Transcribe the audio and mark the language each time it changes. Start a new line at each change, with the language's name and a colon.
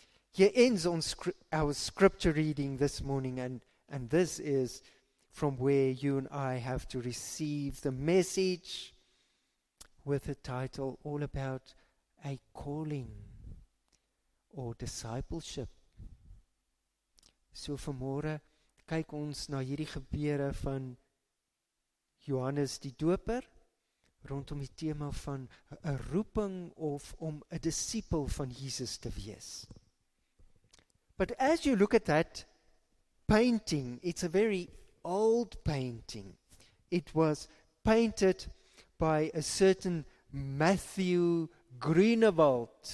English: Here ends our scripture reading this morning, and this is from where you and I have to receive the message with the title all about a calling or discipleship.
Afrikaans: So vanmôre kyk ons na hierdie gebeure van Johannes die Doper rondom die tema van 'n roeping of om 'n disipel van Jesus te wees.
English: But as you look at that painting, it's a very old painting. It was painted by a certain Matthew Grunewald.